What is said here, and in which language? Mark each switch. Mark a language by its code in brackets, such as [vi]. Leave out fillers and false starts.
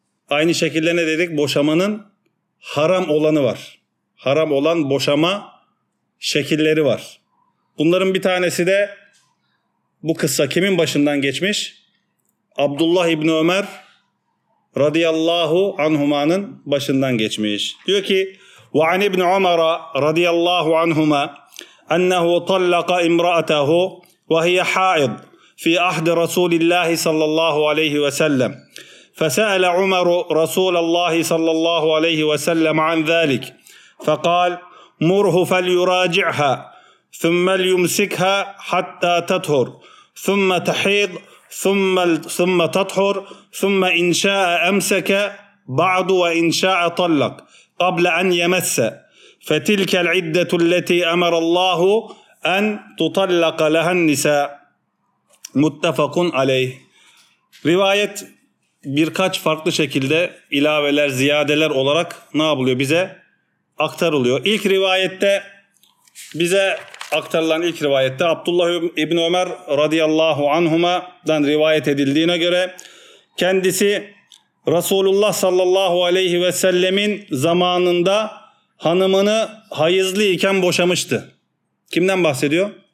[tr] Aynı şekilde ne dedik? Boşamanın haram olanı var. Haram olan boşama şekilleri var. Bunların bir tanesi de bu kıssa kimin başından geçmiş? Abdullah İbni Ömer radıyallahu anhuma'nın başından geçmiş. Diyor ki, [ar] وَعَنْ اِبْنِ عُمَرَ رَضِيَ اللّٰهُ عَنْهُمَا اَنَّهُ طَلَّقَ اِمْرَأَتَهُ وَهِيَ حَائِضْ فِي اَحْدِ رَسُولِ اللّٰهِ صَلَّى اللّٰهُ عَلَيْهِ وَسَلَّمْ فَسَأَلَ عُمَرُ رَسُولَ اللّٰهِ صَلَّى اللّٰهُ عَلَيْهِ وَسَلَّمْ عَنْ ذَلِكَ فَقَالَ مُرْهُ فَلْيُرَاجِعْهَا ثم يمسكها حتى تطهر ثم تحيض ثم تطهر ثم إن شاء أمسك بعض وإن شاء طلق قبل أن يمس فتلك العدة التي أمر الله أن تطلق لها النساء متفق عليه. [tr] Rivayet birkaç farklı şekilde ilaveler, ziyadeler olarak ne yapılıyor, bize aktarılıyor. İlk rivayette bize aktarılan ilk rivayette Abdullah İbni Ömer radıyallahu anhuma'dan rivayet edildiğine göre kendisi Resulullah sallallahu aleyhi ve sellemin zamanında hanımını hayızlıyken boşamıştı. Kimden bahsediyor?